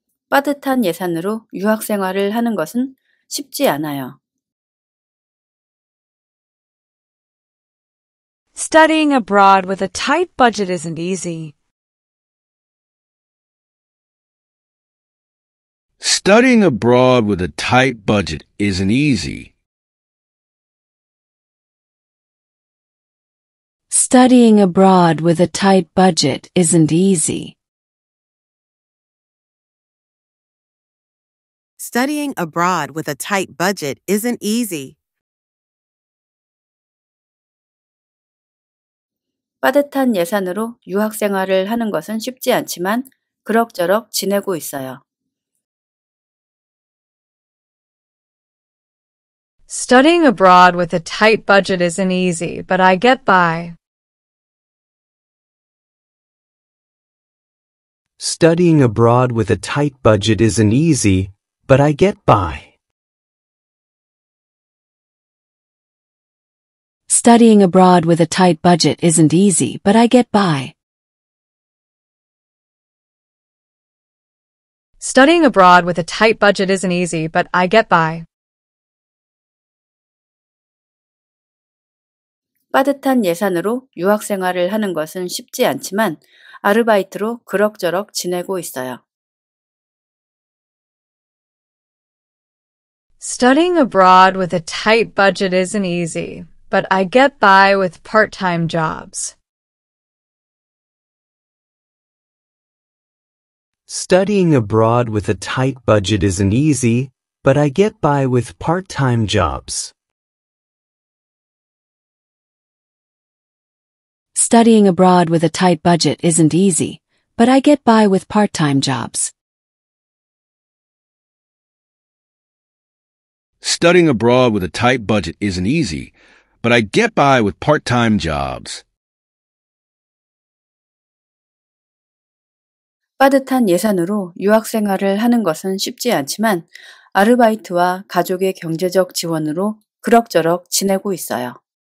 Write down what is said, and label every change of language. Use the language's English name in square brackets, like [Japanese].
[Korean] 빠듯한 예산으로 유학 생활을 하는 것은 쉽지 않아요. [English] Studying abroad with a tight budget isn't easy. Studying abroad with a tight budget isn't easy. Studying abroad with a tight budget isn't easy. Studying abroad with a tight budget isn't easy. [Korean] 빠듯한 예산으로 유학 생활을 하는 것은 쉽지 않지만 그럭저럭 지내고 있어요. [English] Studying abroad with a tight budget isn't easy, but I get by. Studying abroad with a tight budget isn't easy, but I get by. Studying abroad with a tight budget isn't easy, but I get by. Studying abroad with a tight budget isn't easy, but I get by. [Korean] 빠듯한 예산으로 유학 생활을 하는 것은 쉽지 않지만 아르바이트로 그럭저럭 지내고 있어요. [English] Studying abroad with a tight budget isn't easy, but I get by with part-time jobs. Studying abroad with a tight budget isn't easy, but I get by with part-time jobs. Studying abroad with a tight budget isn't easy, but I get by with part-time jobs. Studying abroad with a tight budget isn't easy, but I get by with part-time jobs. [Korean] 빠듯한 예산으로 유학 생활을 하는 것은 쉽지 않지만 아르바이트와 가족의 경제적 지원으로 그럭저럭 지내고 있어요.